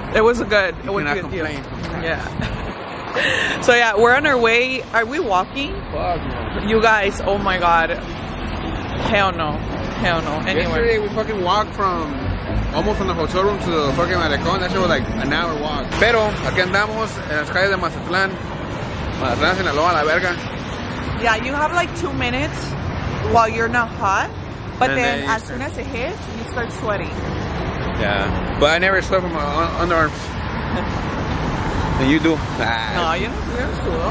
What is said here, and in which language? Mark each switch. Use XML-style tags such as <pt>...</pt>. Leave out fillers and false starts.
<en>It was good. You cannot complain. Yeah. So yeah, we're on our way. Are we walking? Fuck no. You guys, oh my god. Hell no. Anyway. Yesterday we fucking walked from almost from the hotel room to the fucking malecon. That shit was like an hour walk.</en> <es>Pero, aquí andamos en las calles de Mazatlán.</es> <en>Yeah, you have like 2 minutes while you're not hot, but then as soon as it hits, you start sweating. Yeah, but I never sweat from my underarms. And you do. No, you don't sweat.</en>